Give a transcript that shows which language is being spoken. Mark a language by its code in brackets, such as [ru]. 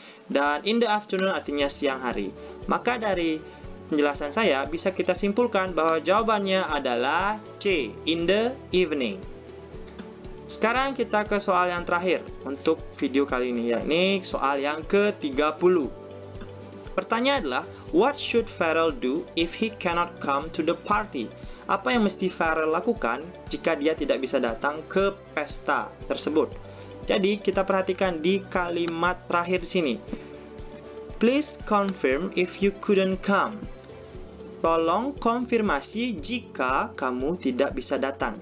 [id] Dan [en] in the afternoon [id] artinya siang hari. Maka dari penjelasan saya, bisa kita simpulkan bahwa jawabannya adalah C, [en] in the evening. [id] Sekarang kita ke soal yang terakhir untuk video kali ini, yakni soal yang ke-30. Pertanyaan adalah, [en] what should Farrell do if he cannot come to the party? [id] Apa yang mesti Farrell lakukan jika dia tidak bisa datang ke pesta tersebut? Jadi, kita perhatikan di kalimat terakhir sini. [en] Please confirm if you couldn't come. [id] Tolong konfirmasi jika kamu tidak bisa datang.